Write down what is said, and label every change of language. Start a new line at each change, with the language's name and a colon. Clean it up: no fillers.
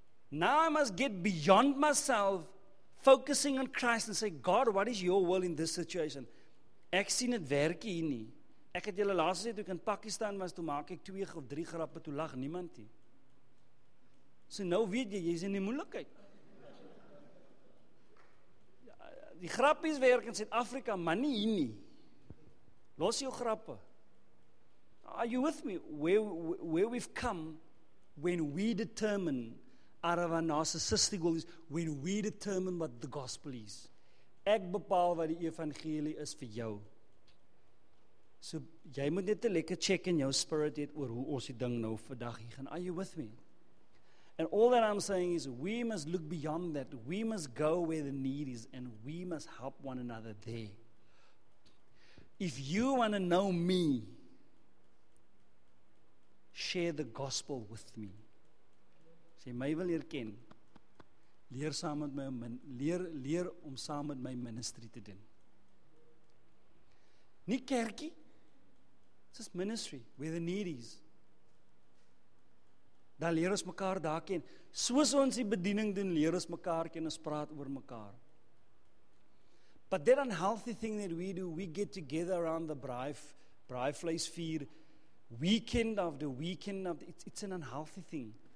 English: Now I must get beyond myself, focusing on Christ and say, God, what is your will in this situation?
Afrikaans: Ek sien het werkie hier nie. Ek het julle laatste sê, toe ek in Pakistan was, toe maak ek 2 of 3 grappe, toe lag niemand hier. So nou weet jy, jy is in die moeilikheid. Die grappies werk in Suid-Afrika, maar nie hier nie. Los jou grappe.
English: Are you with me? Where we've come, when we determine out of our narcissistic world is, when we determine what the gospel is.
Afrikaans: Ek bepaal wat die evangelie is vir jou. So, jy moet net 'n lekker check in jou spirit het oor hoe ons die ding nou vandag hier gaan.
English: Are you with me? And all that I'm saying is, we must look beyond that. We must go where the need is, and we must help one another there. If you want to know me, share the gospel with me.
Afrikaans: Sê, my wil leer ken. Leer saam met my, leer om saam met my ministry te doen. Nie kerkie,
English: this is ministry, where the need is.
Afrikaans: Daar leer ons mekaar daar ken. Soos ons die bediening doen, leer ons mekaar ken, ons praat oor mekaar.
English: But that unhealthy thing that we do, we get together around the braaivleis vier, weekend after weekend, it's an unhealthy thing.